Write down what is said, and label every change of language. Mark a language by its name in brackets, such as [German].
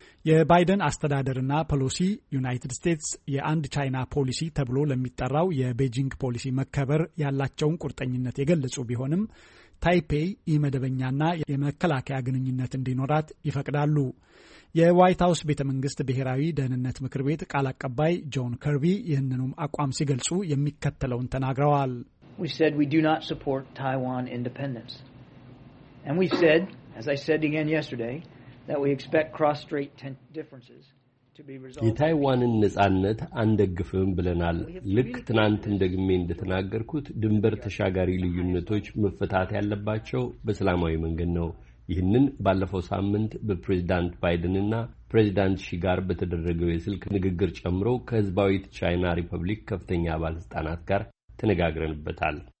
[Amharic] የባይደን አስተዳደርና ፖሊሲ ዩናይትድ ስቴትስ የአንድ ቻይና ፖሊሲ ተብሎ ለሚጠራው የቤጂንግ ፖሊሲ መከበር ያላቸውን ቁርጠኝነት የገለጹ ቢሆንም ታይፔይ ኢመደበኛና የመከላከያ ግንኙነት እንዲኖራት ይፈቅዳሉ። የዋይት ሀውስ ቤተ መንግስት ብሔራዊ ደህንነት ምክር ቤት ቃል አቀባይ ጆን ከርቢ ይህንኑም አቋም ሲገልጹ የሚከተለውን ተናግረዋል። [English] We said we do not support Taiwan independence. And we said, as I said again yesterday, that we expect cross-strait differences to be resolved. [Amharic] የታይዋንን ንጻነት አንደግፍም ብለናል። ልክ ትናንት እንደግሜ እንደተናገርኩት ድንበር ተሻጋሪ ልዩነቶች መፈታት ያለባቸው በሰላማዊ መንገድ ነው። ይህንን ባለፈው ሳምንት በፕሬዝዳንት ባይደንና ፕሬዝዳንት ሺ ጋር በተደረገው የስልክ ንግግር ጨምሮ ከህዝባዊት ቻይና ሪፐብሊክ ከፍተኛ ባለስልጣናት ጋር ተነጋግረንበታል።